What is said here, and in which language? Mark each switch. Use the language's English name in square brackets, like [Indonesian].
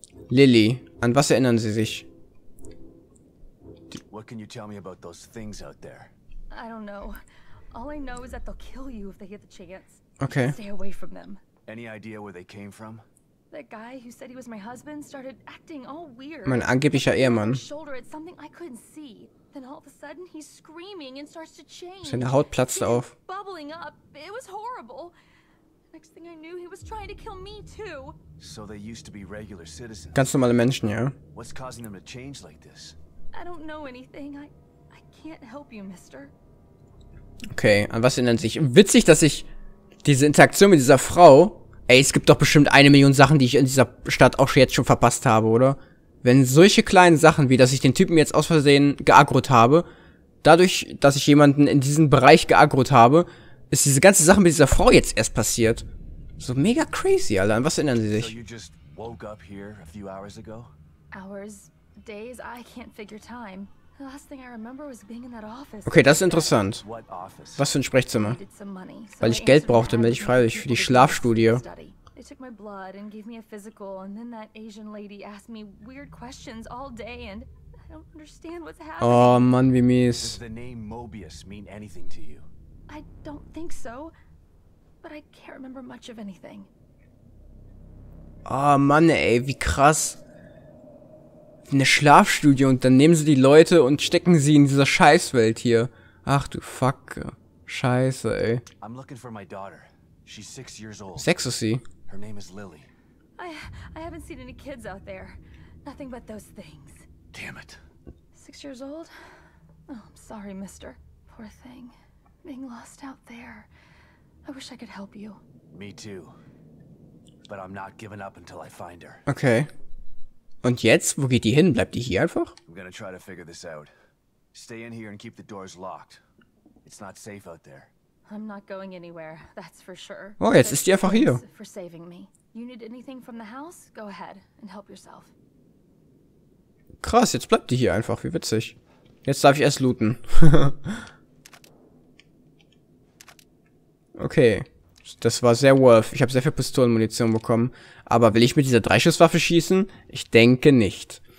[German] Lily, an was erinnern Sie sich? [English] What can you tell me about those things out there? I don't know. All I know is that they'll kill you if they get the chance. Okay. Stay away from them. Any idea where they came from? That guy who said he was my husband started acting all weird. [German] Mein angeblicher Ehemann. [English] Shoulder, it's something I couldn't see. Then all of a sudden he's screaming and starts to change. [German] Seine Haut platzt auf. [English] Bubbling up. It was horrible. Next thing I knew, he was trying to kill me too. So they used to be regular citizens. [German] Ganz normale Menschen, ja. [English] What's causing them to change like this? I don't know anything. I can't help you, mister. [German] Okay, an was erinnert sich? Witzig, dass ich diese Interaktion mit dieser Frau. Ey, es gibt doch bestimmt 1 Million Sachen, die ich in dieser Stadt auch jetzt schon verpasst habe, oder? Wenn solche kleinen Sachen, wie dass ich den Typen jetzt aus Versehen geaggrot habe, dadurch, dass ich jemanden in diesem Bereich geaggrot habe, ist diese ganze Sache mit dieser Frau jetzt erst passiert. So mega crazy, Alter. An was erinnern Sie sich? [English] So you just woke up here a few hours ago? Hours, days, I can't figure time. The last thing I remember was being in that office. [German] Okay, das ist interessant. Was für ein Sprechzimmer? Weil ich Geld brauchte, melde ich freiwillig für die Schlafstudie. [English] They took my blood and gave me a physical, and then that Asian lady asked me weird questions all day, and I don't understand what's happening. [German] Oh Mann, wie mies. [English] Does the name Mobius mean anything to you? I don't think so, but I can't remember much of anything. [German] Oh Mann, ey, wie krass. Eine Schlafstudie und dann nehmen sie die Leute und stecken sie in dieser Scheißwelt hier. Ach du Fuck. Scheiße, ey. [English] I'm looking for my daughter. She's 6 years old. [German] Sex ist sie. [English] Her name is Lily. I haven't seen any kids out there. Nothing but those things. Damn it. 6 years old? Oh, I'm sorry, mister. Poor thing. Being lost out there. I wish I could help you. Me too. But I'm not giving up until I find her. [German] Okay. Und jetzt? Wo geht die hin? Bleibt die hier einfach? [English] I'm gonna try to figure this out. Stay in here and keep the doors locked. It's not safe out there. I'm not going anywhere, that's for sure. [German] Oh, jetzt ist die einfach hier. [English] For saving me. You need anything from the house? Go ahead and help yourself. [German] Krass, jetzt bleibt die hier einfach, wie witzig. Jetzt darf ich erst looten. Okay, das war sehr worth. Ich habe sehr viel Pistolenmunition bekommen. Aber will ich mit dieser Dreischusswaffe schießen? Ich denke nicht.